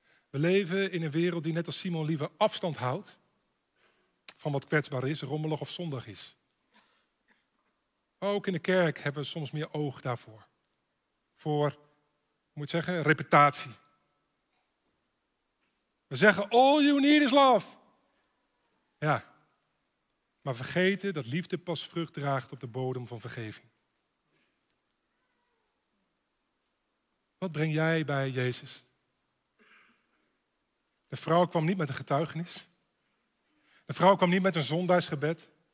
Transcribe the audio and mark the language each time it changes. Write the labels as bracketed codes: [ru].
[nl] We leven in een wereld die net als Simon liever afstand houdt van wat kwetsbaar is, rommelig of zondig is. Ook in de kerk hebben we soms meer oog daarvoor. Voor, hoe moet ik zeggen, reputatie. We zeggen, [en] all you need is love. [nl] Ja, maar vergeten dat liefde pas vrucht draagt op de bodem van vergeving. Wat breng jij bij Jezus? De vrouw kwam niet met een getuigenis. De vrouw kwam niet met een zondaarsgebed.